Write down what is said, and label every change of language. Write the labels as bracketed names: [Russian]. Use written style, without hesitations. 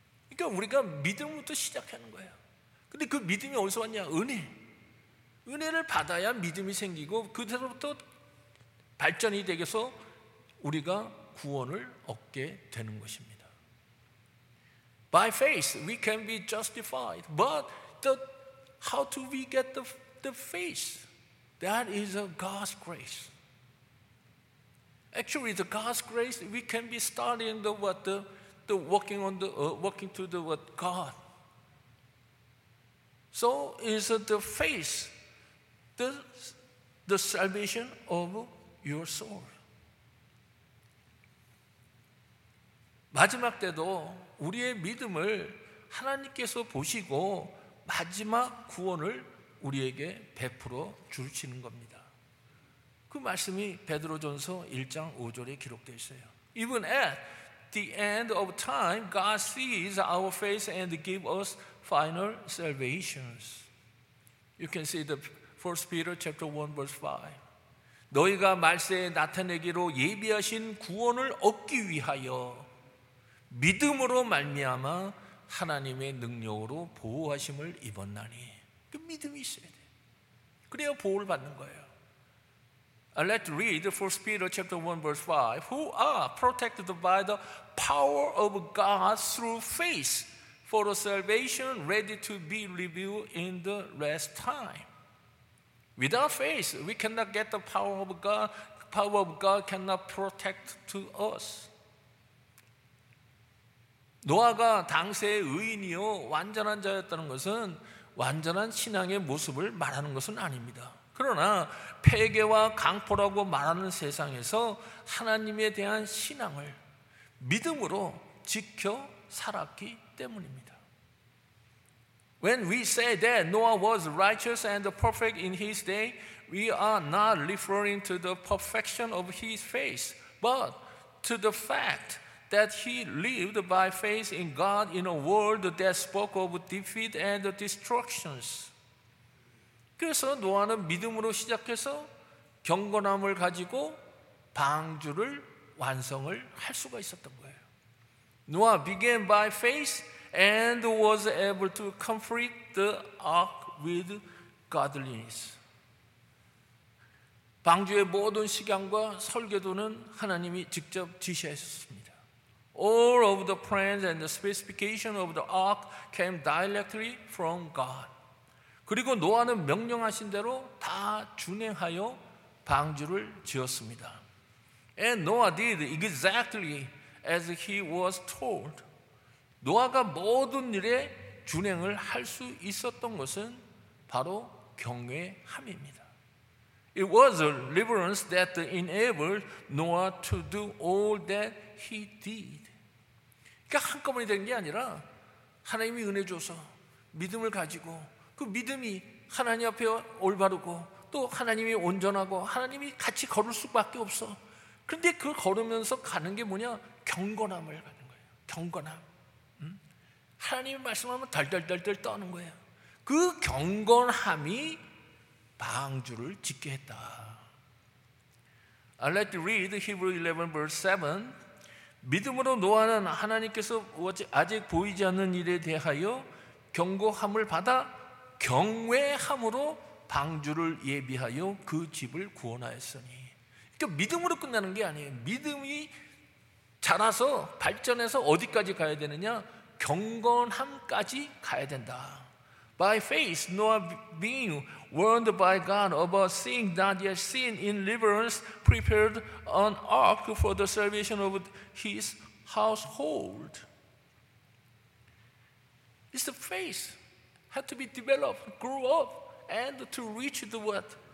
[Korean] 그러니까 우리가 믿음부터 시작하는 거예요. 근데 그 믿음이 어디서 왔냐? 은혜. 은혜를 받아야 믿음이 생기고 그대로부터 발전이 되겠어 우리가 구원을 얻게 되는 것입니다. [English] By faith we can be justified. But how do we get the faith? That is of God's grace. Actually the God's grace we can be starting working to God. So is the faith the salvation of your soul. [Korean] 마지막 때도 우리의 믿음을 하나님께서 보시고 마지막 구원을 우리에게 베풀어 주시는 겁니다. 그 말씀이 베드로전서 1장 5절에 기록되어 있어요. [English] Even at the end of time, God sees our faith and gives us final salvations. You can see the 1 Peter chapter 1 verse 5. [Korean] 너희가 말세에 나타내기로 예비하신 구원을 얻기 위하여 믿음으로 말미암아 하나님의 능력으로 보호하심을 입었나니. 그 믿음이 있어야 돼. 그래야 보호를 받는 거예요. [English] Let's read 1 Peter chapter 1 verse 5. Who are protected by the power of God through faith for a salvation ready to be revealed in the last time. Without faith, we cannot get the power of God. The power of God cannot protect to us. [Korean] 노아가 당시의 의인이요 완전한 자였다는 것은 완전한 신앙의 모습을 말하는 것은 아닙니다. 그러나 폐괴와 강포라고 말하는 세상에서 하나님에 대한 신앙을 믿음으로 지켜 살았기 때문입니다. [English] When we say that Noah was righteous and perfect in his day, we are not referring to the perfection of his faith, but to the fact that he lived by faith in God in a world that spoke of defeat and destructions. [Korean] 그래서 노아는 믿음으로 시작해서 경건함을 가지고 방주를 완성을 할 수가 있었던 거예요. [English] Noah began by faith and was able to complete the ark with godliness. [Korean] 방주의 모든 시간과 설계도는 하나님이 직접 지시하셨습니다. [English] All of the plans and the specification of the ark came directly from God. [Korean] 그리고 노아는 명령하신 대로 다 준행하여 방주를 지었습니다. [English] And Noah did exactly as he was told. [Korean] 노아가 모든 일에 준행을 할 수 있었던 것은 바로 경외함입니다. [English] It was a reverence that enabled Noah to do all that he did. [Korean] 그러니까 한꺼번에 된 게 아니라 하나님이 은혜 줘서 믿음을 가지고 그 믿음이 하나님 앞에 올바르고 또 하나님이 온전하고 하나님이 같이 걸을 수밖에 없어. 그런데 그걸 걸으면서 가는 게 뭐냐? 경건함을 가는 거예요. 경건함. 하나님 말씀하면 덜덜덜덜 떠는 거예요. 그 경건함이 방주를 짓게 했다. [English] I'll let you read Hebrews 11 verse 7. [Korean] 믿음으로 노아는 하나님께서 아직 보이지 않는 일에 대하여 경고함을 받아 경외함으로 방주를 예비하여 그 집을 구원하였으니. 그러니까 믿음으로 끝나는 게 아니에요. 믿음이 자라서 발전해서 어디까지 가야 되느냐? 경건함까지 가야 된다. [English] By faith, Noah being warned by God about things not yet seen in deliverance, prepared an ark for the salvation of his household. It's the faith had to be developed, grew up, and to reach the what?